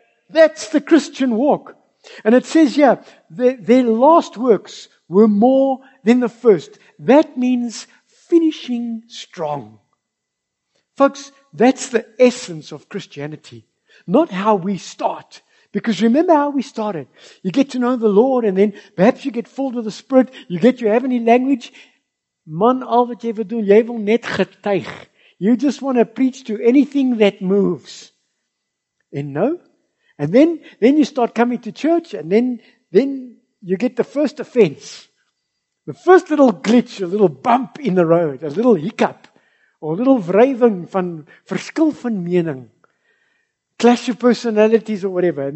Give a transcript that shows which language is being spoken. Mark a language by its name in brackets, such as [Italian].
[English] That's the Christian walk. And it says here, their last works were more than the first. That means finishing strong. Folks, that's the essence of Christianity. Not how we start. Because remember how we started. You get to know the Lord and then perhaps you get filled with the Spirit. You get your heavenly language. [Afrikaans] Man, al wat jy wil doen, jy wil net getuig. [English] You just want to preach to anything that moves. And no. And then you start coming to church and then you get the first offense. The first little glitch, a little bump in the road, a little hiccup, or a little [Afrikaans] wrijving van verskil van mening, [English] clash of personalities or whatever.